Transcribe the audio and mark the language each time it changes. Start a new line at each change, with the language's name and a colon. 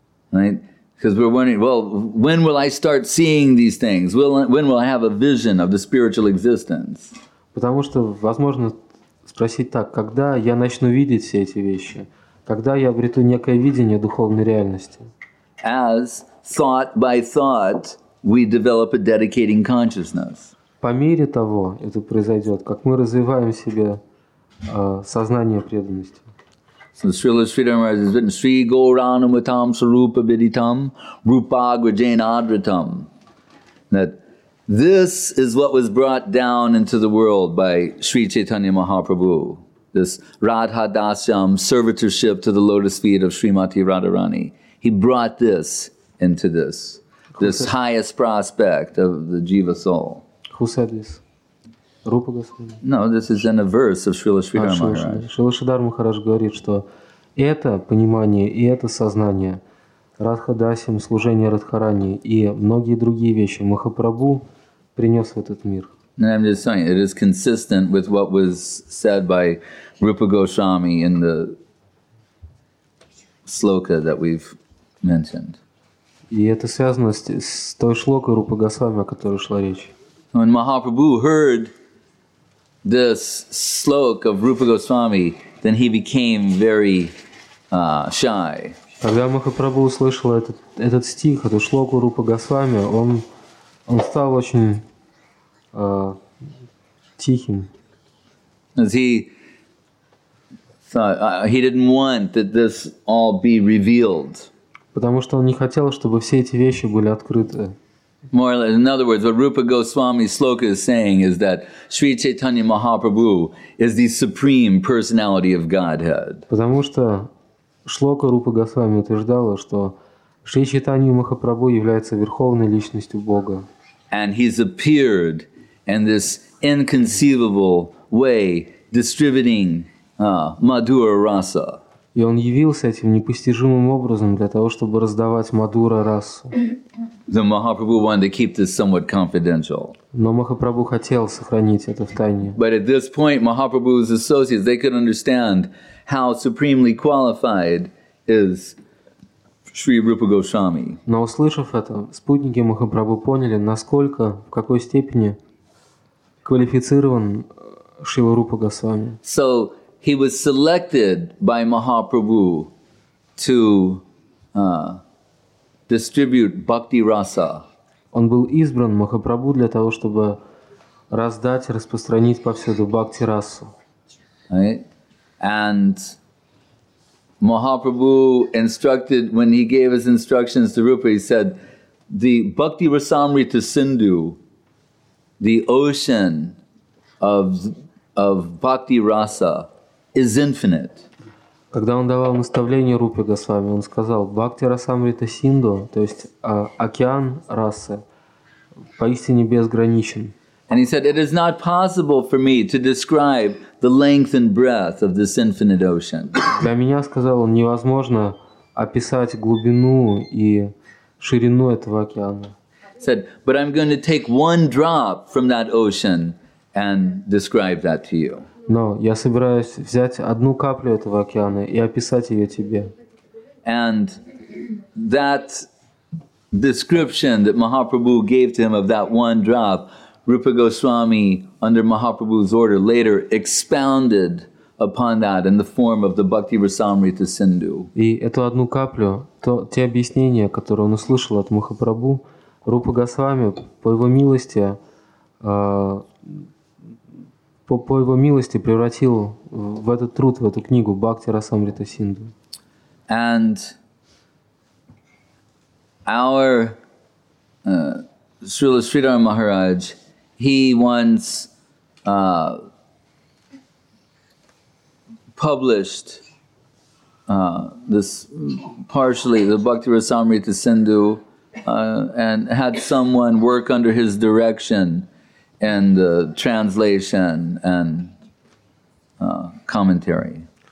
English: Right? Because we're wondering, well, when will I start seeing these things? When will I have a vision of the spiritual existence?
Russian: Потому что возможно спросить так, когда я начну видеть все эти вещи? Когда я обрету некое видение духовной реальности?
English: As thought by thought, we develop a dedicating consciousness.
Russian: По мере того, это произойдет, как мы развиваем себе сознание преданности.
English: So Srila Sridharmaraja has written,
Sanskrit: Sri Gauranamitam Sarupa Viditam Rupagrajena Adritam.
English: That this is what was brought down into the world by Sri Chaitanya Mahaprabhu. This Radha Dasyam servitorship to the lotus feet of Srimati Radharani. He brought this into this highest prospect of the jiva soul. Who said this? Rupa Goswami. No, this is in a verse of Srila Sridhar Maharaj.
Russian: Srila Sridhar Maharaj говорит, что это понимание и это сознание, Радхадасим, служение Радхарани и многие другие вещи Махапрабху принес в этот мир.
English: And I'm just saying, it is consistent with what was said by Rupa Goswami in the sloka that we've mentioned.
Russian: И это связано с той шлокой Рупа Госвами, о которой шла речь.
English: When Mahaprabhu heard this sloka of Rupa Goswami, then he became very shy.
Russian: Когда Махапрабху услышал этот стих, эту шлоку Рупа Госвами, он стал очень тихим.
English: As he thought, he didn't want that this all be revealed.
Russian: Потому что он не хотел, чтобы все эти вещи были открыты.
English: More or less, in other words, what Rupa Goswami's sloka is saying is that Sri Chaitanya Mahaprabhu is the supreme personality of Godhead.
Russian: Потому что шлока Рупа Госвами утверждала, что Шри Чайтанья Махапрабху является верховной личностью Бога.
English: And he's appeared in this inconceivable way, distributing madhura rasa.
Russian: И он явился этим непостижимым образом для того, чтобы раздавать мадура расу.
English: The Mahaprabhu wanted to keep this somewhat confidential.
Russian: Но Махапрабху хотел сохранить это в тайне.
English: But at this point, Mahaprabhu's associates, they could understand how supremely qualified is
Russian: Шри Рупа Госвами. Но услышав это, спутники Махапрабху поняли, насколько, в какой степени квалифицирован Шрила Рупа Госвами.
English: So he was selected by Mahaprabhu to distribute bhakti rasa.
Russian: Он был избран Махапрабху для того, чтобы раздать, распространить повсюду бхакти расу.
English: Right? And Mahaprabhu instructed, when he gave his instructions to Rupa, he said, the bhakti rasamrita sindhu, the ocean of bhakti rasa is infinite.
Russian: Когда он давал наставление Рупе Госвами, он сказал, бхакти расамрита синду, то есть океан расы, поистине безграничен.
English: And he said, it is not possible for me to describe the length and breadth of this infinite ocean.
Russian: Для меня, сказал он, невозможно описать глубину и ширину этого океана.
English: He said, but I'm going to take one drop from that ocean and describe that to you.
Russian: Но я собираюсь взять одну каплю этого океана и описать ее тебе.
English: And that description that Mahaprabhu gave to him of that one drop, Rupa Goswami, under Mahaprabhu's order, later expounded upon that in the form of the Bhakti Rasamrita Sindhu.
Russian: И эту одну каплю, те объяснения, которые он услышал от Махапрабху, Рупа Госвами, по его милости превратил в этот труд, в эту книгу Бхакти Расамрита Синду.
English: And our Srila Sridhar Maharaj, he once published this partially, the Bhakti Rasamrita Sindhu, and had someone work under his direction in the translation and commentary.